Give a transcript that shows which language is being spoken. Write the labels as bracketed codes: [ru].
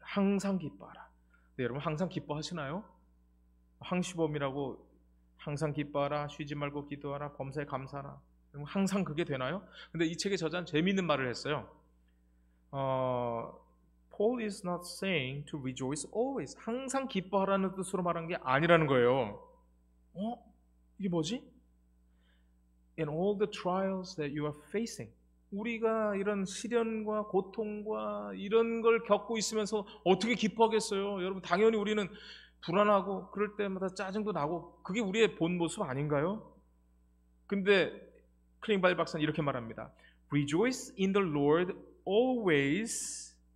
[ko] 항상 기뻐하라. 네, 여러분 항상 기뻐하시나요? 항시범이라고 항상 기뻐하라, 쉬지 말고 기도하라, 범사에 감사하라. 그럼 항상 그게 되나요? 근데 이 책의 저자는 재미있는 말을 했어요. [en] Paul is not saying to rejoice always. [ko] 항상 기뻐하라는 뜻으로 말한 게 아니라는 거예요. 어? 이게 뭐지? [en] In all the trials that you are facing. [ko] 우리가 이런 시련과 고통과 이런 걸 겪고 있으면서 어떻게 기뻐하겠어요? 여러분 당연히 우리는 불안하고 그럴 때마다 짜증도 나고 그게 우리의 본 모습 아닌가요? 근데 클링발 박사는 이렇게 말합니다. [en] Rejoice in the Lord always.